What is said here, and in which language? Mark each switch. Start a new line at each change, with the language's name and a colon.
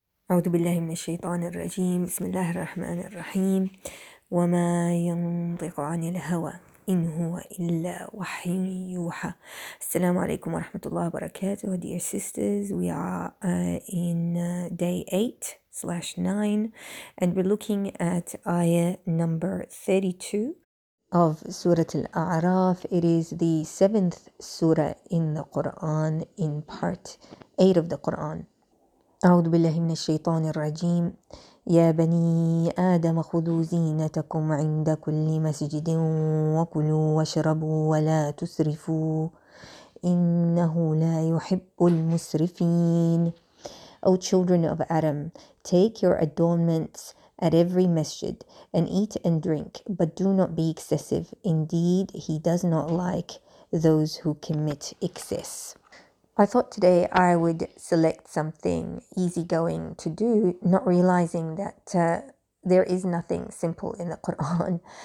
Arabic: أعوذ بالله من الشيطان الرجيم. بسم الله الرحمن الرحيم. وما ينطق عن الهوى إن هو إلا وحي يوحى. السلام عليكم ورحمة الله وبركاته.
English: Dear sisters, we are in day 8/9 and we're looking at ayah number 32 of Surah Al-A'raf. It is the 7th surah in the Quran, in part 8 of the Quran.
Arabic: أعوذ بالله من الشيطان الرجيم. يا بني آدم خذوا زينتكم عند كل مسجد وكلوا واشربوا ولا تسرفوا إنه لا يحب المسرفين.
English: O children of Adam, take your adornments at every masjid and eat and drink, but do not be excessive. Indeed, he does not like those who commit excess. I thought today I would select something easygoing to do, not realizing that there is nothing simple in the Quran.